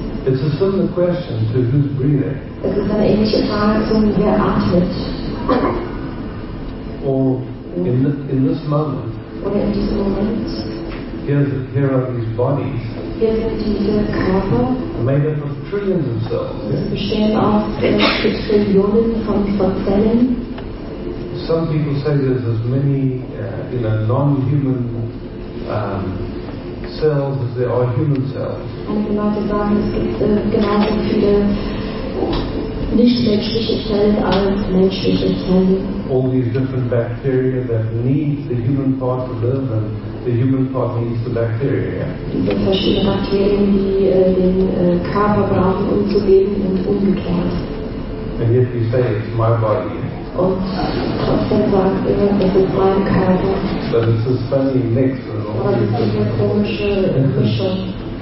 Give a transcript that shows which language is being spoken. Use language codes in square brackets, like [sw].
[en] It's a similar question to who's breathing. [de] Es ist eine ähnliche Frage zum wer atmet. [en] Or in this moment. [de] Oder in diesem Moment. [en] Here are these bodies. [de] Hier sind diese Körper. [en] Made up of trillions of cells. [de] Sie bestehen aus Trillionen von Zellen. [en] Some people say there's as many non-human cells as there are human cells. [de] Einige Leute sagen, es gibt genauso viele nicht-menschliche Zellen als menschliche Zellen. [en] All these different bacteria that need the human part to live and the human part needs the bacteria. [de] Diese verschiedenen Bakterien, die den Körper brauchen, um zu leben und umgekehrt. [en] And yet you say it's my body. [de] Und trotzdem sagt er, das ist mein Körper. [en] But it's a funny mix of all [de] aber das ist eine komische Mischung.